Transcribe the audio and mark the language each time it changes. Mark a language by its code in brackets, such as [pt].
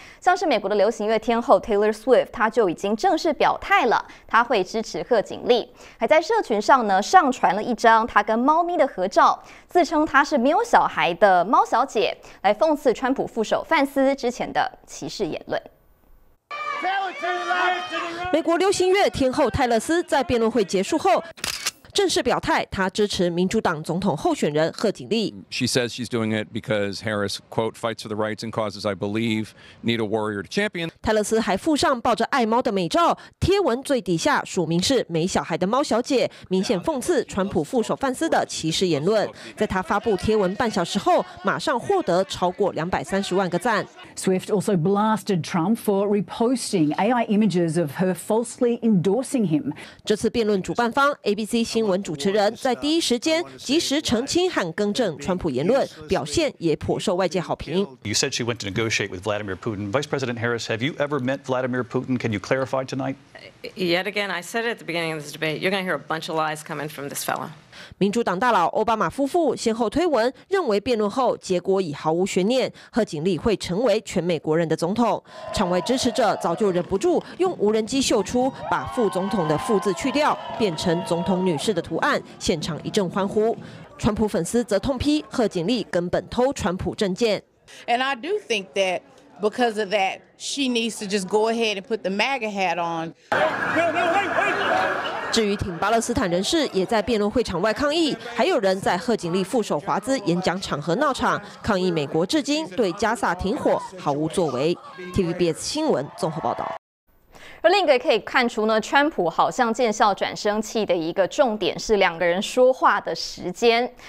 [zh] 像是美国的流行乐天后 Taylor Swift， 他就已经正式表态了，他会支持贺锦丽，还在社群上呢上传了一张他跟猫咪的合照，自称他是没有小孩的猫小姐，来讽刺川普副手范斯之前的歧视言论。美国流行乐天后泰勒斯在辩论会结束后正式表态，他支持民主党总统候选人贺锦丽。 [en] She says she's doing it because Harris quote fights for the rights and causes I believe need a warrior to champion. [zh] 泰勒斯还附上抱着爱猫的美照，贴文最底下署名是没小孩的猫小姐，明显讽刺川普副手范斯的歧视言论。在他发布贴文半小时后，马上获得超过230万个赞。 [en] Swift also blasted Trump for reposting AI images of her falsely endorsing him. [zh] 这次辩论主办方 ABC 新新闻主持人在第一时间及时澄清和更正川普言论，表现也颇受外界好评。 [en] You said she went to negotiate with Vladimir Putin. Vice President Harris, have you ever met Vladimir Putin? Can you clarify tonight? Yet again, I said at the beginning of this debate, you're going to hear a bunch of lies coming from this fellow. [zh] 民主党大佬奥巴马夫妇先后推文，认为辩论后结果已毫无悬念，贺锦丽会成为全美国人的总统。场外支持者早就忍不住用无人机秀出把副总统的副字去掉，变成总统女士的图案，现场一阵欢呼。川普粉丝则痛批贺锦丽根本偷川普政见。 [en] And I do think that because of that, she needs to just go ahead and put the MAGA hat on. No, wait. [zh] 至于挺巴勒斯坦人士也在辩论会场外抗议，还有人在贺锦丽副手华兹演讲场合闹场，抗议美国至今对加萨停火毫无作为。 TVBS 新闻综合报道。而另一个可以看出呢，川普好像见效转生气的一个重点是两个人说话的时间。